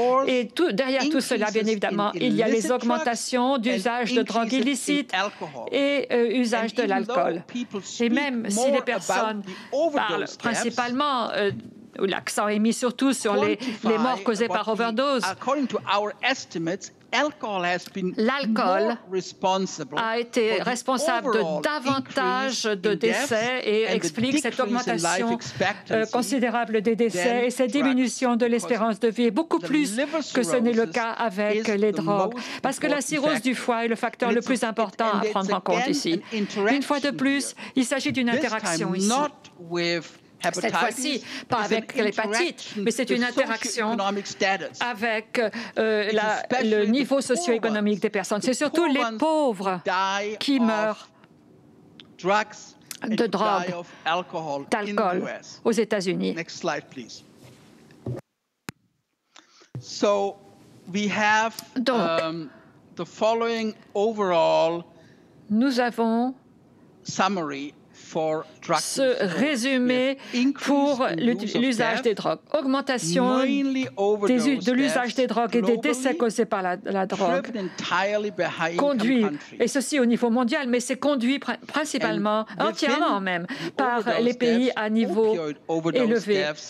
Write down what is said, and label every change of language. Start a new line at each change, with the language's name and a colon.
French: Et derrière tout cela, bien évidemment, il y a les augmentations d'usage de drogues illicites et usage de l'alcool. Et même si les personnes parlent principalement où l'accent est mis surtout sur les morts causées par overdose.
English: According to our estimates, alcohol has been
French: l'alcool a été responsable de davantage de décès et explique cette augmentation considérable des décès et cette diminution de l'espérance de vie, beaucoup plus que ce n'est le cas avec les drogues, parce que la cirrhose du foie est le facteur le plus important à prendre en compte ici. Une fois de plus, il s'agit d'une interaction ici. Cette fois-ci, pas avec l'hépatite, mais c'est une interaction avec le niveau socio-économique des personnes. C'est surtout les pauvres qui meurent de drogue, d'alcool aux États-Unis.
English: Next slide, please. So we have the following overall summary.
French: Ce résumé pour l'usage des drogues. Augmentation de l'usage des drogues et des décès causés par la drogue conduit, et ceci au niveau mondial, mais c'est conduit principalement, entièrement même, par les pays à niveau élevé.